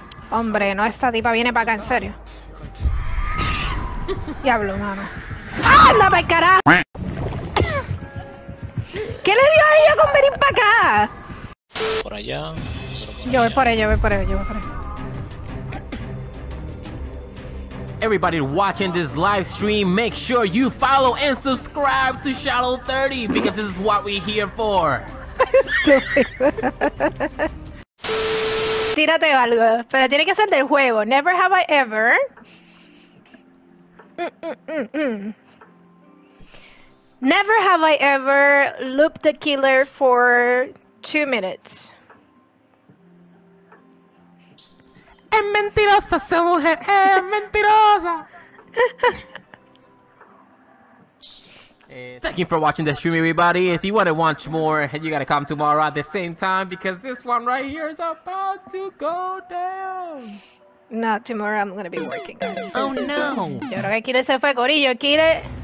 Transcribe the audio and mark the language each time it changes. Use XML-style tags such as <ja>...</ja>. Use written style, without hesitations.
<es>Hombre, no, esta tipa viene para acá, en serio. Diablo, mano. ¡Anda pa'l carajo! ¿Qué le dio a ella con venir pa' acá? Por allá. Yo voy por ahí, yo voy por ahí.</es> <en>Everybody watching this live stream, make sure you follow and subscribe to Shadow 30 because this is what we're here for.</en> <es>Tírate algo, pero tiene que ser del juego.</es> <en>Never have I ever. Never have I ever looped the killer for 2 minutes.</en> <es>Es mentirosa esa mujer, es mentirosa.</es> <en>Thank you for watching the stream, everybody. If you want to watch more, you gotta come tomorrow at the same time because this one right here is about to go down. No, tomorrow I'm gonna be working. Oh no.</en> <es>Yo creo que Kire se fue, Corillo, Kire.</es>